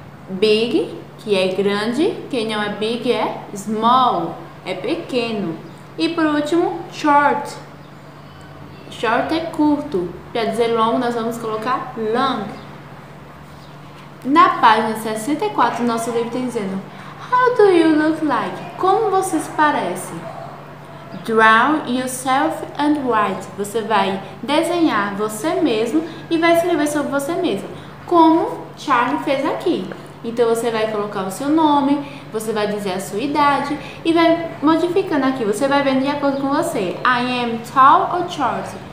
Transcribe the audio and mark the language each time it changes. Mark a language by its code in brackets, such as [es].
[pt] Big, que é grande. Quem não é big é small, é pequeno. E por último, short. Short é curto. Para dizer longo, nós vamos colocar long. Na página 64 do nosso livro tem dizendo: [en] How do you look like? [pt] Como você se parece? [en] Draw yourself and write. [pt] Você vai desenhar você mesmo e vai escrever sobre você mesmo, como Charlie fez aqui. Então você vai colocar o seu nome, você vai dizer a sua idade e vai modificando aqui. Você vai vendo de acordo com você. [en] I am tall or short?